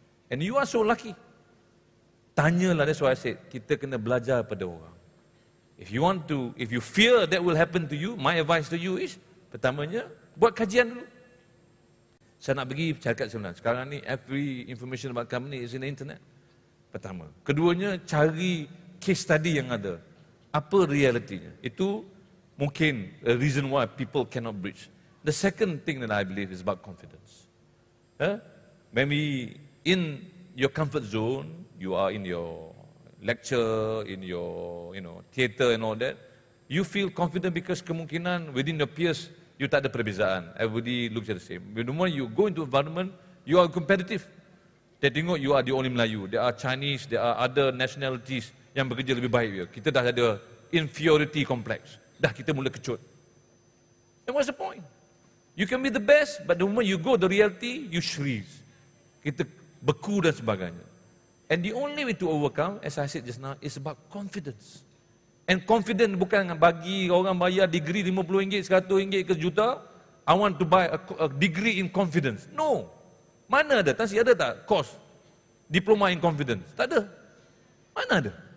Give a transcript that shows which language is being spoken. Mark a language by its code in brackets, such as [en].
[en] And you are so lucky. Tanyalah, that's why I said, [ms] kita kena belajar pada orang. [en] If you want to, if you fear that will happen to you, my advice to you is, [ms] pertamanya, buat kajian dulu. Saya nak pergi syarikat sebenarnya. Sekarang ni, [en] every information about company is in the internet. [ms] Pertama. Keduanya, cari case study yang ada. Apa realitinya? [en] Itu mungkin a reason why people cannot bridge. The second thing that I believe is about confidence. Maybe in your comfort zone, you are in your lecture, in your, you know, theater and all that, you feel confident because kemungkinan within your peers, you [ms] tak ada perbezaan. [en] Everybody looks at the same. But the moment you go into environment, you are competitive. They tengok you are the only Melayu. There are Chinese, there are other nationalities [ms] yang bekerja lebih baik. Kita dah ada inferiority complex. Dah kita mula kecut. [en] And what's the point? You can be the best, but the moment you go the reality, you shrieze. [ms] Kita beku dan sebagainya. [en] And the only way to overcome, as I said just now, is about confidence. [ms] And confident bukan bagi orang bayar degree RM50, RM100 ke juta. [en] I want to buy a degree in confidence. No. [ms] Mana ada? Tansi ada tak course? [en] Diploma in confidence. [ms] Tak ada. Mana ada?